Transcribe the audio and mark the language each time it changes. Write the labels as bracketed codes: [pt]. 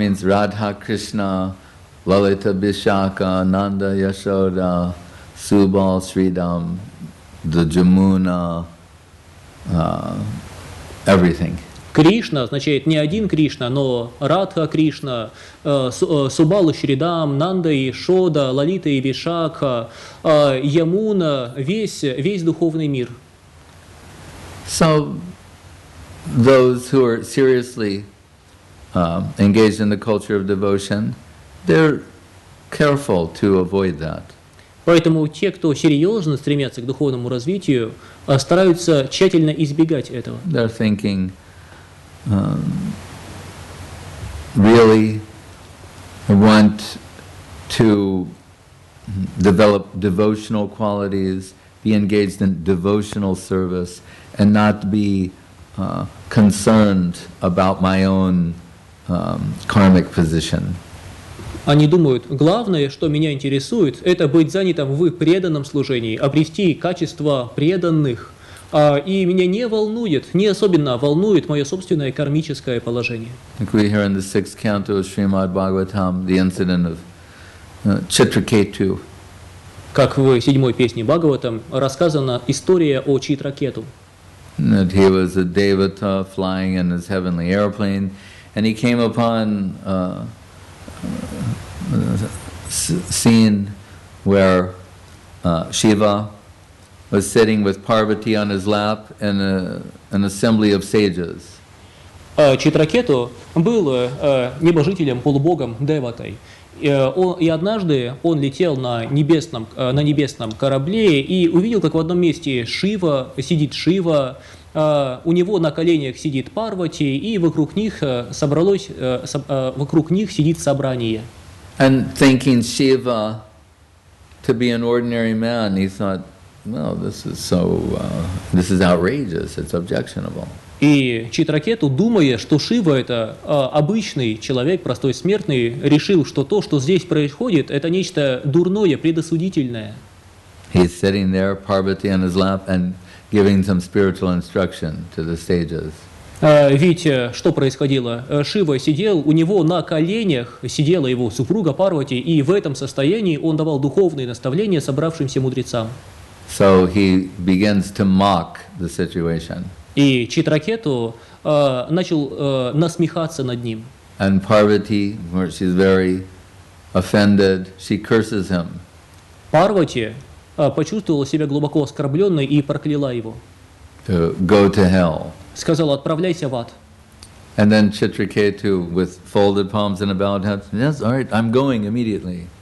[en] It means Radha Krishna, Lalita Bishaka, Nanda Yashoda, Subal Sridham, the Jamuna, everything. [ru] Кришна означает не один Кришна, но Радха Кришна, Субалу Шридам, Нанда Йешода, Лалита Йешака, Ямуна, весь духовный мир. [en] So, those who are seriously engaged in the culture of devotion, they're careful to avoid that. [ru] Поэтому те, кто серьезно стремятся к духовному развитию, стараются тщательно избегать этого. [en] They're thinking, really, I want to develop devotional qualities, be engaged in devotional service, and not be concerned about my own karmic position. [ru] Они думают, главное, что меня интересует, это быть занятым в преданном служении, обрести качество преданных. И меня не волнует, не особенно волнует мое собственное кармическое положение. [en] Like we hear in the sixth canto of Srimad Bhagavatam, the incident of Chitraketu. [ru] Как в седьмой песне Бхагаватам рассказана история о Читракету. [en] That he was a devata flying in his heavenly airplane, and he came upon scene where Shiva was sitting with Parvati on his lap in an assembly of sages. [ru] Читракету был небожителем, полубогом, деватой. И однажды он летел на небесном корабле и увидел, как в одном месте сидит Шива, у него на коленях сидит Парвати, и вокруг них сидит собрание. [en] And thinking Shiva to be an ordinary man, he thought, well, this is outrageous. It's objectionable. [ru] И Читракету, думая, что Шива это обычный человек, простой смертный, решил, что то, что здесь происходит, это нечто дурное, предосудительное. [en] He's sitting there, Parvati on his lap, and giving some spiritual instruction to the sages. [ru] Ведь что происходило? Шива сидел, у него на коленях сидела его супруга Парвати, и в этом состоянии он давал духовные наставления собравшимся мудрецам. [en] So he begins to mock the situation. [ru] И Читракету начал насмехаться над ним. [en] And Parvati, where she's very offended, she curses him. [ru] Парвати почувствовала себя глубоко оскорбленной и прокляла его. [en] To go to hell. [ru] Сказала, отправляйся в ад. [en] And then Chitraketu, with folded palms and a bowed head, said, yes, all right, I'm going immediately.